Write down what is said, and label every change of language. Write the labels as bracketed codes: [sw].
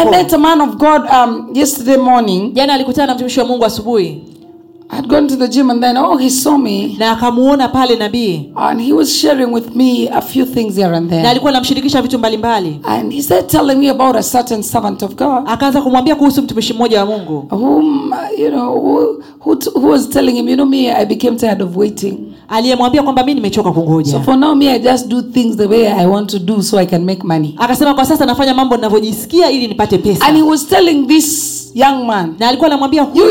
[en] I met a man of God yesterday morning. [sw] Jana alikutana na mtumishi wa Mungu asubuhi. [en] I'd gone to the gym and then he saw me. [sw] Na akamuona pale nabii. [en] And he was sharing with me a few things here and there. [sw] Na alikuwa anamshirikisha vitu mbalimbali. [en] And he said telling me about a certain servant of God. [sw] Akaanza kumwambia kuhusu mtumishi mmoja wa Mungu. [en] Who was telling him, you know me, I became tired of waiting. [sw] Aliyemwambia kwamba mimi nimechoka kungoja. [en] So for now me I just do things the way I want to do so I can make money. [sw] Akasema kwa sasa nafanya mambo ninavyojisikia ili nipate pesa. [en] And he was telling this young man. [sw] Na alikuwa anamwambia huyu